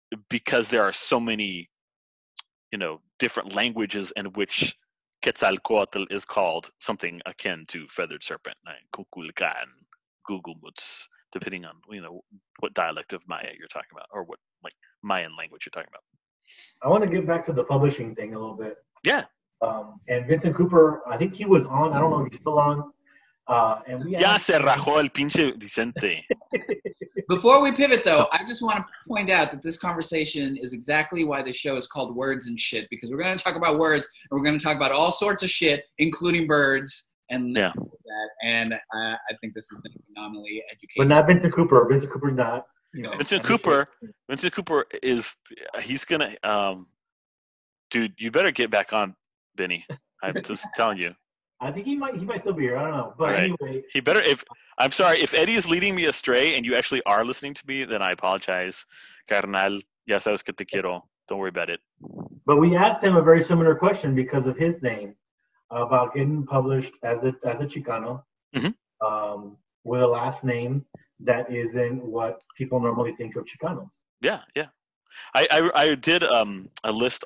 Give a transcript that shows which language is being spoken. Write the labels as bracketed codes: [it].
[en] Because there are so many, you know, different languages in which Quetzalcoatl is called something akin to feathered serpent, Kukulkan, Gugulmutz, depending on, you know, what dialect of Maya you're talking about, or what, like, Mayan language you're talking about. I want to get back to the publishing thing a little bit. Yeah. And Vincent Cooper, I think he was on, I don't know if he's still on. [es] Ya se rajó el pinche Vicente. [en] Before we pivot, though, I just want to point out that this conversation is exactly why the show is called Words and Shit, because we're going to talk about words, and we're going to talk about all sorts of shit, including birds, and that. And I think this has been phenomenally educational. But not Vincent Cooper. Vincent Cooper's not. Vincent Cooper is, he's going to, dude, you better get back on, Benny. I'm just telling you. I think he might still be here. I don't know. But anyway. He better, if I'm sorry, if Eddie is leading me astray and you actually are listening to me, then I apologize. [es] Carnal, ya sabes que te quiero. [en] Don't worry about it. But we asked him a very similar question because of his name, about getting published as a Chicano, mm-hmm. With a last name that isn't what people normally think of Chicanos. Yeah, yeah. I did a list.